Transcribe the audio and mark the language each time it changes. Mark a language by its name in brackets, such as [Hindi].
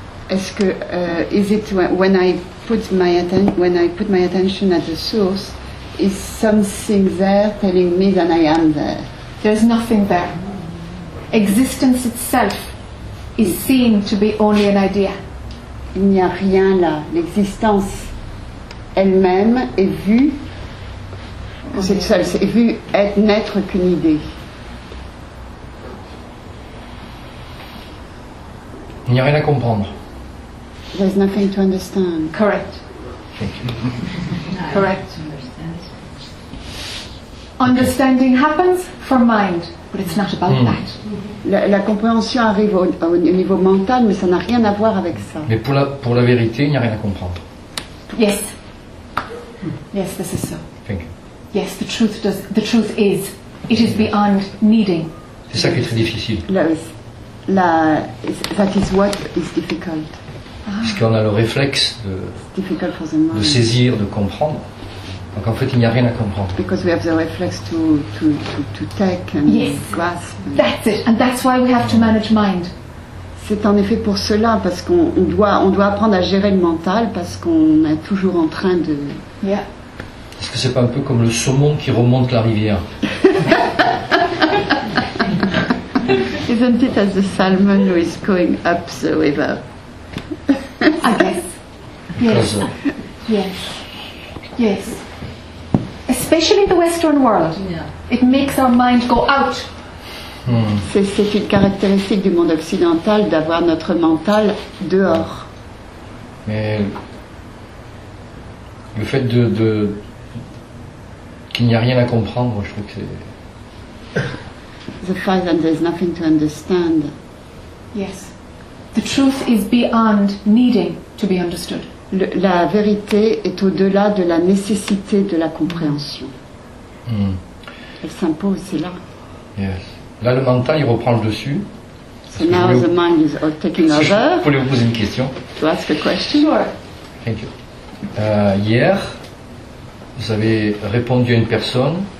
[French] Est-ce que [English] is it when I put my attention at the source, is something there telling me that I am there? There's nothing there. Existence itself is seen to be only an idea. [French] Il n'y a rien là. L'existence elle-même est vue. C'est seul. C'est vu être n'être qu'une idée. Il n'y a rien à comprendre. [English] There's nothing to understand. Correct. Correct. Understanding happens for mind, but it's not about that. [French] La compréhension arrive au niveau mental, mais ça n'a rien à voir avec ça. Mais pour la vérité, il n'y a rien à comprendre. [English] Yes. Yes, this is so. Thank you. Yes, the truth is, it is beyond needing. [French] C'est ça qui est très difficile. [English] That is what is difficult. [French] Puisqu'on a le réflexe de saisir, de comprendre. Donc en fait, il n'y a rien à comprendre. [English] Because we have the reflex to take and yes. Grasp. That's it, and that's why we have to manage mind. [French] C'est en effet pour cela parce qu'on doit apprendre à gérer le mental parce qu'on est toujours en train de. [English] Yeah. [French] Est-ce que c'est pas un peu comme le saumon qui remonte la rivière? [English] Isn't it as the salmon who is going up the river? I guess. Yes. Especially the Western world. Yeah. It makes our mind go out. [French] C'est une caractéristique du monde occidental d'avoir notre mental dehors. Mais le fait de qu'il n'y a rien à comprendre, je trouve que c'est. [English] The fact that there's nothing to understand. Yes. The truth is beyond needing to be understood. [French] la vérité est au-delà de la nécessité de la compréhension. Elle s'impose, c'est là. Yes. Là, le mental, il reprend le dessus. [English] So now the mind is taking over. [French] Vous pouvez vous poser une question. [English] To ask a question. Sure. Thank you. [French] Hier, vous avez répondu à une personne.